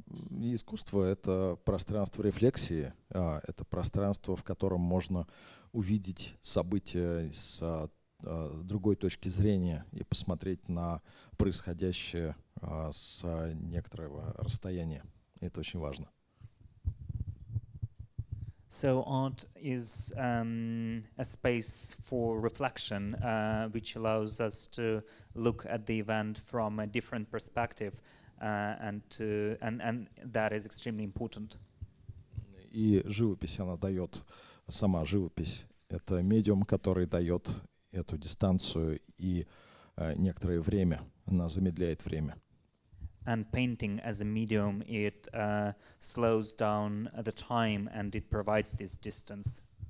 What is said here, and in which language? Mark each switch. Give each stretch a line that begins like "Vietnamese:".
Russian: Искусство — это пространство рефлексии, это пространство, в котором можно увидеть события с другой точки зрения и посмотреть на происходящее с некоторого расстояния. Это очень важно.
English: So art is a space for reflection, which allows us to look at the event from a different perspective. and that is extremely important.
Russian: И живопись она дает, сама живопись это медиум, который дает эту дистанцию и некоторое время, она замедляет время.
English: And painting as a medium, it slows down the time and it provides this distance.